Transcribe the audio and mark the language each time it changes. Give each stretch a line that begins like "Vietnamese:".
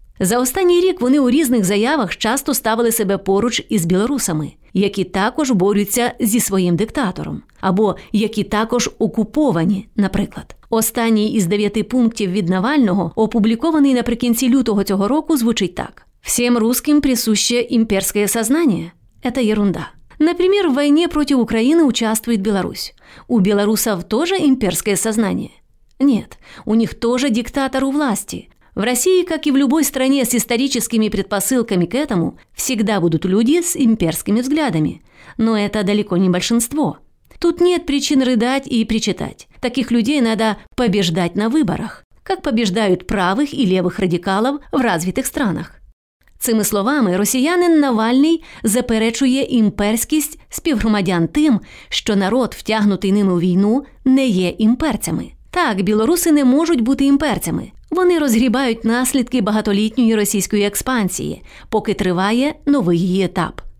Ukrainian: За останній рік вони у різних заявах часто ставили себе поруч із білорусами, які також борються зі своїм диктатором, або які також окуповані, наприклад. Останній із 9 пунктів від Навального, опублікований наприкінці лютого цього року, звучить так. «Всім русським присуще імперське сознання?
Russian: Это ерунда». Например, в войне против Украины участвует Беларусь. У белорусов тоже имперское сознание? Нет, у них тоже диктатор у власти. В России, как и в любой стране с историческими предпосылками к этому, всегда будут люди с имперскими взглядами. Но это далеко не большинство. Тут нет причин рыдать и причитать. Таких людей надо побеждать на выборах, как побеждают правых и левых радикалов в развитых странах.
Ukrainian: Цими словами, росіянин Навальний заперечує імперськість співгромадян тим, що народ, втягнутий ними у війну, не є імперцями. Так, білоруси не можуть бути імперцями. Вони розгрібають наслідки багатолітньої російської експансії, поки триває новий її етап.